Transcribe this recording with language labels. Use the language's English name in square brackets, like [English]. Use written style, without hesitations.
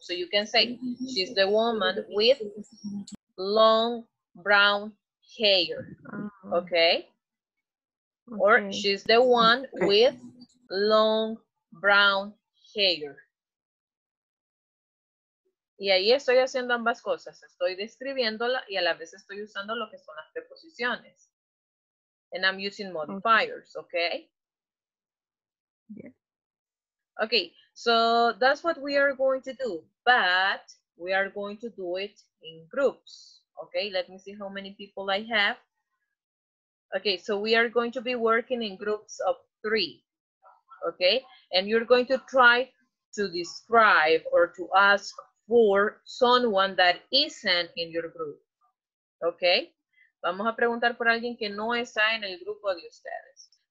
[English] So you can say, she's the woman with long brown hair. Okay. Or she's the one with long brown hair. [Spanish] Y ahí estoy haciendo ambas cosas. Estoy describiéndola y a la vez estoy usando lo que son las preposiciones. [English] And I'm using modifiers, okay? Yeah. Okay, so that's what we are going to do. But we are going to do it in groups, okay? Let me see how many people I have. Okay, so we are going to be working in groups of three, okay? And you're going to try to describe or to ask for someone that isn't in your group, okay? [Spanish] Vamos a preguntar por alguien que no está en el grupo de ustedes.